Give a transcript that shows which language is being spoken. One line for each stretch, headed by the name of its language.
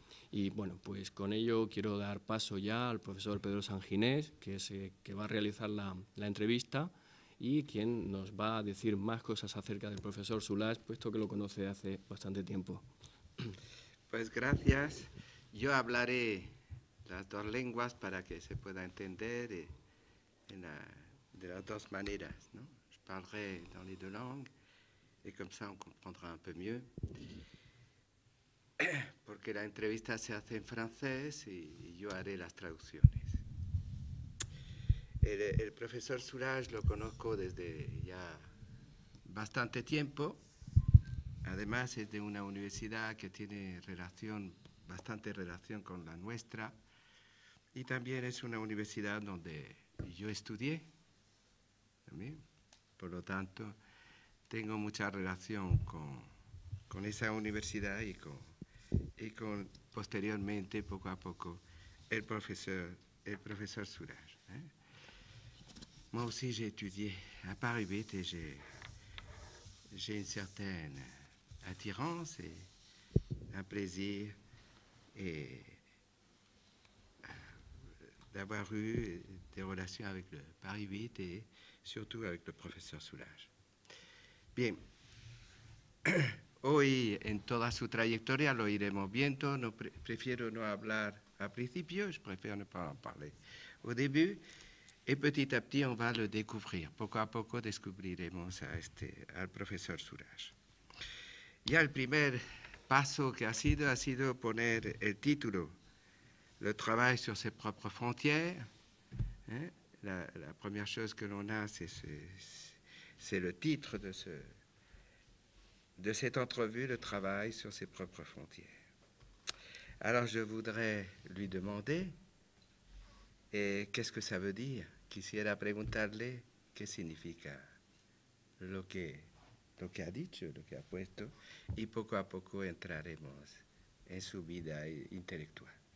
Spanish: Y bueno, pues con ello quiero dar paso ya al profesor Pedro Sanginés, que va a realizar la entrevista y quien nos va a decir más cosas acerca del profesor Soulages, puesto que lo conoce hace bastante tiempo. Pues gracias. Yo hablaré las dos lenguas para que se pueda entender de las dos maneras, ¿no?
French: Je parlerai dans les deux langues y comme ça on comprendra un peu mieux.
Spanish: Porque la entrevista se hace en francés y yo haré las traducciones. El profesor Soulages lo conozco desde ya bastante tiempo. Además, es de una universidad que tiene bastante relación con la nuestra y también es una universidad donde yo estudié, también. Por lo tanto, tengo mucha relación con esa universidad y con posteriormente, poco a poco, el profesor Surar.
French: Moi aussi, j'ai étudié à Paris 8 et j'ai une certaine attirance et un plaisir et d'avoir eu des relations avec le Paris 8 et surtout avec le professeur Soulages.
Spanish: Bien, hoy en toda su trayectoria lo iremos viendo, no prefiero no hablar al principio,
French: je préfère ne pas en parler au début. Et petit à petit, on va le découvrir.
Spanish: Poco a poco, descubriremos al profesor Surage. Ya el primer paso que ha sido poner el título,
French: le travail sur ses propres frontières. La première chose que l'on a, c'est le titre de cette entrevue, le travail sur ses propres frontières. Alors, je voudrais lui demander, et qu'est-ce que ça veut dire?
Spanish: Quisiera preguntarle qué significa lo que ha dicho, lo que ha puesto, y poco a poco entraremos en su vida intelectual.